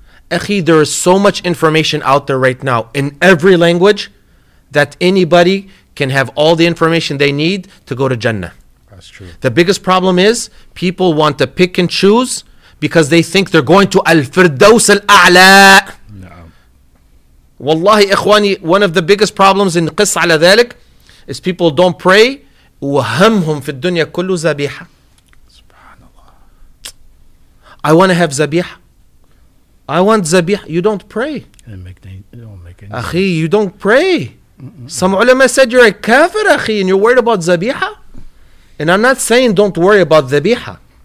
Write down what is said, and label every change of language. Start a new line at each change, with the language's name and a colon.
English: Akhi, there is so much information out there right now in every language that anybody can have all the information they need to go to Jannah. That's true. The biggest problem is people want to pick and choose because they think they're going to Al-Firdaus Al-A'la. Wallahi, ikhwani, one of the biggest problems in qis ala dhalik is people don't pray.
Arabic: وهمهم في الدنيا كله زبيحة.
English: Subhanallah. I want to have زبيحة. I want زبيحة. You don't pray.
Arabic: أخي,
English: you don't pray. Some ulama said you're a kafir, أخي, and you're worried about زبيحة. And I'm not saying don't worry about زبيحة.